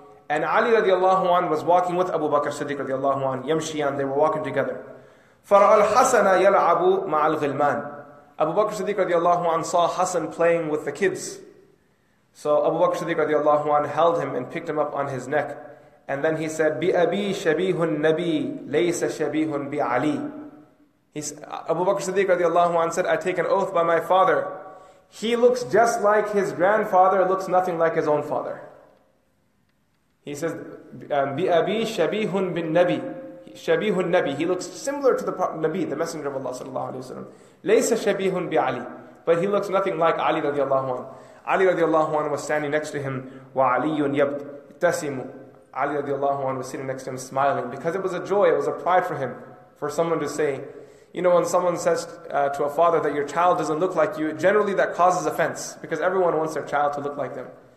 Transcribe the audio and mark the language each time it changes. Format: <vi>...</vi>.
<en>And Ali radiallahu anhu was walking with Abu Bakr Siddiq radiallahu anhu. Yamshiyan, they were walking together.</en> <ar>فَرَأَ الْحَسَنَ يَلْعَبُ مَعَ الْغِلْمَانِ.</ar> <en>Abu Bakr Siddiq radiallahu anhu saw Hassan playing with the kids. So Abu Bakr Siddiq radiallahu anhu held him and picked him up on his neck. And then he said,</en> <ar>بِأَبِي شَبِيهٌ نَبِي لَيْسَ شَبِيهٌ بِعَلِي.</ar> <en>Abu Bakr Siddiq radiallahu anhu said, I take an oath by my father. He looks just like his grandfather, looks nothing like his own father. He says,</en> <ar>بِأَبِي شَبِيهٌ بِالنَّبِي. Shabihun Nabi,</ar> <en>he looks similar to the Nabi, the Messenger of Allah sallallahu alayhi wa sallam.</en> <ar>Laysa shabihun bi Ali,</ar> <en>but he looks nothing like Ali radiallahu anhu. Ali radiallahu anhu was standing next to him,</en> <ar>wa aliyun yabtasimu.</ar> <en>Ali radiallahu anhu was sitting next to him smiling because it was a joy, it was a pride for him, for someone to say, you know, when someone says to a father that your child doesn't look like you, generally that causes offense because everyone wants their child to look like them.</en>